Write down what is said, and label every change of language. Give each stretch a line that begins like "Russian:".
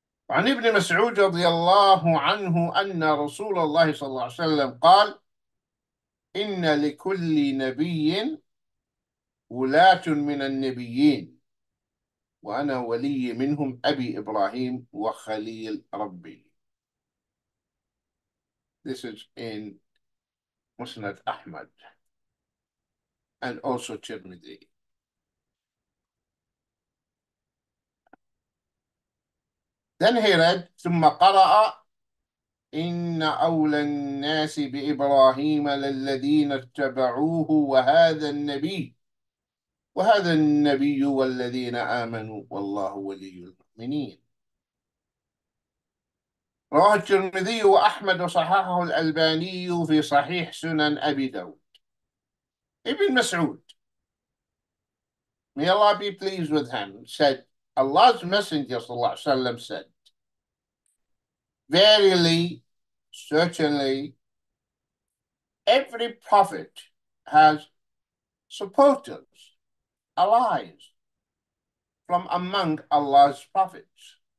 Arabic: عن ابن مسعود رضي الله عنه أن رسول الله صلى الله عليه وسلم قال إن لكل نبي ولاة من النبيين وأنا ولي منهم أبي إبراهيم وخليل ربي.
English: This is in Musnad Ahmad and also Tirmidhi. Then he read,
Arabic: ثم قرأ إن أولى الناس بإبراهيم للذين اتبعوه وهذا النبي وهذا النبي والذين آمنوا والله ولي المؤمنين. رواه الترمذي وأحمد وصححه الألباني في صحيح سنن أبي داود.
English: ابن مسعود, may Allah be pleased with him, said, Allah's Messenger
Arabic: صلى الله عليه وسلم
English: said, verily, certainly, every prophet has supporters, allies from among Allah's prophets.